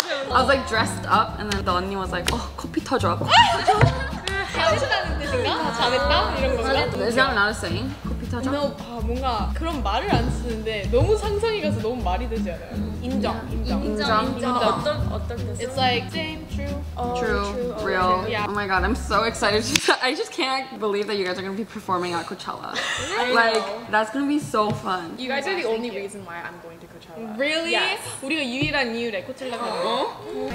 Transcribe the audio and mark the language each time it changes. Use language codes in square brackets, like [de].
[en] I was like dressed up, and then the 언니 was like, oh, 코피 터져. [ko] 잘했다는 뜻인가? 잘했다 이런 건가? [en] Is that not a saying? [ko] 뭔가 그런 말을 안 쓰는데 너무 상상이 가서 너무 말이 되지 않아요? 인정. 어떤 뜻? [en] It's like same, true. Oh, true. Real. Yeah. Oh my god, I'm so excited. I just can't believe that you guys are gonna be performing at Coachella. Like, that's gonna be so fun. You guys are the only reason why I'm going to Coachella. Really? Yes. [ko] 우리가 유일한 이유래, 코첼라 가면.